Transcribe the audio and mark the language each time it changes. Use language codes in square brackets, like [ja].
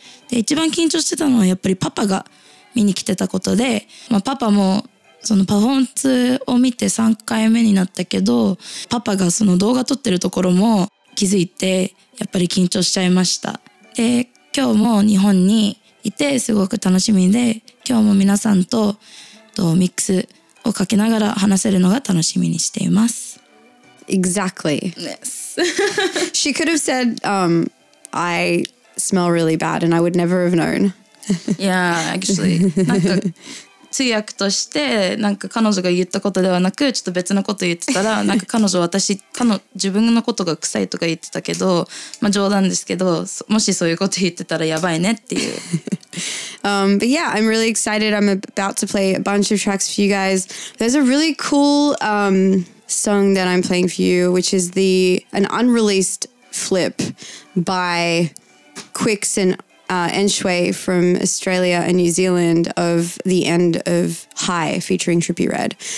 [ja] で、一番緊張してたのはやっぱりパパが見に来てたことで、まあ、パパもそのパフォーマンスを見て3回目になったけど、パパがその動画撮ってるところも気づいて、やっぱり緊張しちゃいました。で、今日も日本にいてすごく楽しみで、今日も皆さんとミックスをかけながら話せるのが楽しみにしています。 [en] Exactly. Yes. She could have said, I smell really bad and I would never have known. Yeah, actually. [ja] 通訳としてなんか彼女が言ったことではなくちょっと別のこと言ってたらなんか彼女私彼女自分のことが臭いとか言ってたけどまあ冗談ですけどもしそういうこと言ってたらやばいねっていう。 [en] But yeah, I'm really excited. I'm about to play a bunch of tracks for you guys. There's a really cool song that I'm playing for you, which is an unreleased flip by Quicks and Enshui from Australia and New Zealand of The End of High featuring Trippie Redd.